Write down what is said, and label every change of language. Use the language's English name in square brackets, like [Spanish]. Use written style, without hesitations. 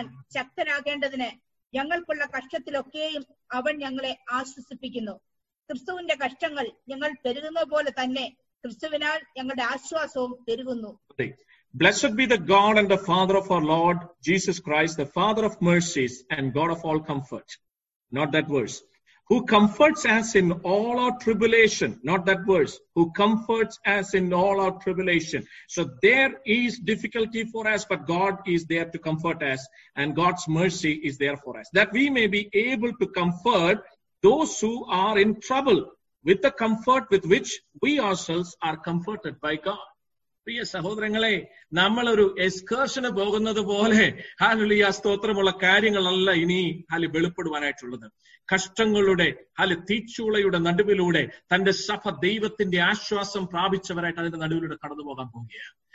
[Malayalam] 2 Corinthians 1:4 ഞങ്ങൾക്കുള്ള കഷ്ടത്തിലൊക്കെയും അവൻ ഞങ്ങളെ ആശ്വസിപ്പിക്കുന്നു. ക്രിസ്തുവിന്റെ കഷ്ടങ്ങൾ ഞങ്ങൾ പെരുകുന്ന പോലെ തന്നെ ക്രിസ്തുവിനാൽ ഞങ്ങളുടെ ആശ്വാസവും പെരുകുന്നു. [English] Blessed be the God and the Father of our Lord Jesus Christ, the Father of mercies and God of all comfort. Not that verse. Who comforts us in all our tribulation. Not that verse. Who comforts us in all our tribulation. So there is difficulty for us, but God is there to comfort us, and God's mercy is there for us, that we may be able to comfort those who are in trouble with the comfort with which we ourselves are comforted by God. [Malayalam] പ്രിയ സഹോദരങ്ങളെ, നമ്മളൊരു എക്സ്കേർഷന് പോകുന്നത് പോലെ hallelujah സ്തോത്രമുള്ള കാര്യങ്ങളല്ല ഇനി ഹല്ല വെളിപ്പെടുവാനായിട്ടുള്ളത്. കഷ്ടങ്ങളുടെ ഹല്ല തീച്ചുളയുടെ നടുവിലൂടെ തന്റെ സഭ ദൈവത്തിന്റെ ആശ്വാസം പ്രാപിച്ചവരായിട്ട് അതിന്റെ നടുവിലൂടെ കടന്നു പോകാൻ പോവുകയാണ്.